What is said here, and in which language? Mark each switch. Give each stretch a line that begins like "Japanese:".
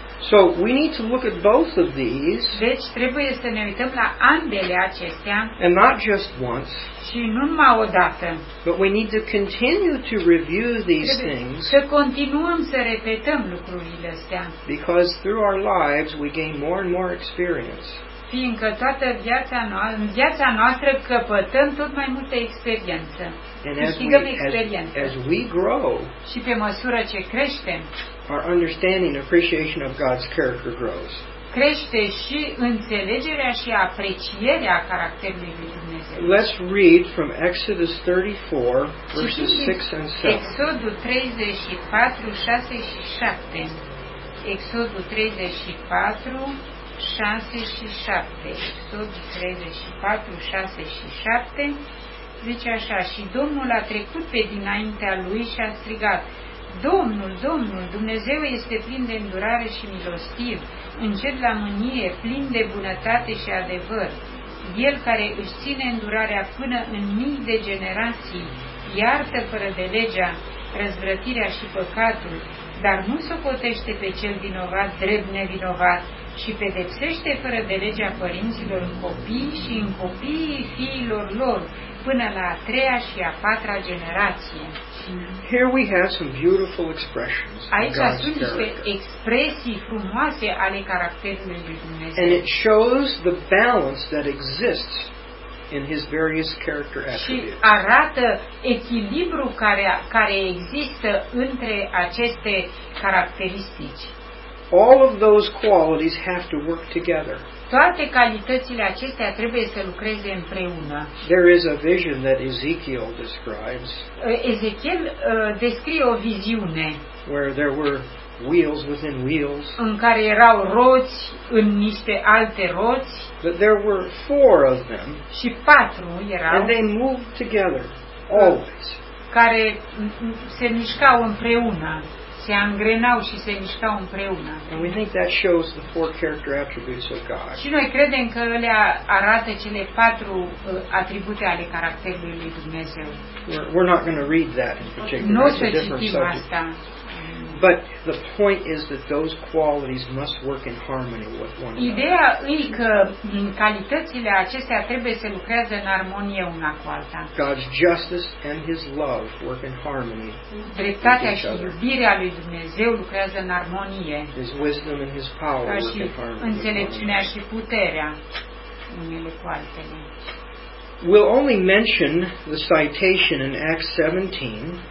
English: So we need to look at both of these.
Romanian: Deci trebuie să ne uităm la ambele acestea.
English: And not just once.
Romanian: Și nu numai o dată.
English: But we need to continue to review these things.
Romanian: Să continuăm să repetăm lucrurile astea.
English: Because through our lives we gain more and more experience.
Romanian: fiindcă toată viața noastră, în viața noastră căpătăm tot mai multă experiență. Câștigăm experiență.
English: As we grow,
Romanian: și pe măsură ce creștem,
English: our understanding and appreciation of God's character grows.
Romanian: Crește și înțelegerea și aprecierea caracterului lui Dumnezeu.
English: Let's read from Exodus 34, verses 6 and 7.
Romanian: Exodul 34, 6 și 7. Exodul 34, 6 și 7. Exodul 34, 6 și 7. Zice așa, și Domnul a trecut pe dinaintea lui și a strigat, Domnul, Domnul, Dumnezeu este plin de îndurare și milostiv, încet la mânie, plin de bunătate și adevăr. El care își ține îndurarea până în mii de generații, iartă fără de legea, răzvrătirea și păcatul, dar nu socotește pe cel vinovat drept nevinovat și pedepsește fără de legea părinților în copii și în copiii fiilor lor, până la a treia și a patra generație.
English: Here we have some beautiful expressions.
Romanian: Aici sunt niște expresii frumoase ale caracterului lui Dumnezeu.
English: And it shows the balance that exists in his various character attributes.
Romanian: Și arată echilibrul care există între aceste caracteristici.
English: All of those qualities have to work together.
Romanian: Toate calitățile acestea trebuie să lucreze împreună.
English: There is a vision that Ezekiel describes.
Romanian: Ezekiel descrie o viziune.
English: Where there were wheels within wheels.
Romanian: În care erau roți în niște alte roți.
English: But there were four of them.
Romanian: Și patru erau.
English: And they moved together always.
Romanian: Care se mișcau împreună. Se angrenau și se mișcau împreună.
English: And we think that shows the four character attributes of God.
Romanian: Și noi credem că ele arată cele patru atribute ale caracterului lui Dumnezeu.
English: We're not going to read that in particular.
Romanian: Nu o să citim asta.
English: But the point is that those qualities must work in harmony with one another.
Romanian: Ideea e că calitățile acestea trebuie să lucreze în armonie una cu alta.
English: God's justice and his love work in harmony.
Romanian: Dreptatea și iubirea lui Dumnezeu lucrează în armonie.
English: His wisdom and his power work in harmony.
Romanian: Înțelepciunea și puterea unele cu altele.
English: We'll only mention the citation in Acts 17.